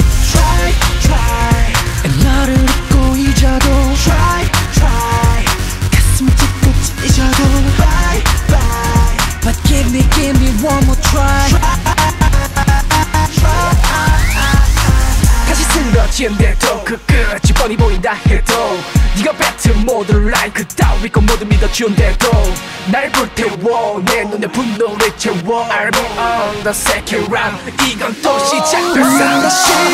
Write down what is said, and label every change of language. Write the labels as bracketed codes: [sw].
[en] Try, try [ko] 나를 잊고 잊어도. [en] Try, try [ko] 가슴 찢고 찢어도. [en] Bye, bye But give me one more try. Try, try [ko] 다시 쓰러진대도 그 끝이 뻔히 보인다 해도 네가 뱉은 모든 라인 그 따위 건 모두 믿어준대도 날 불태워 내 눈에 분노를 채워. [en] I'll be on the second round. [ko] 이건 또 시작됐어. 난 다시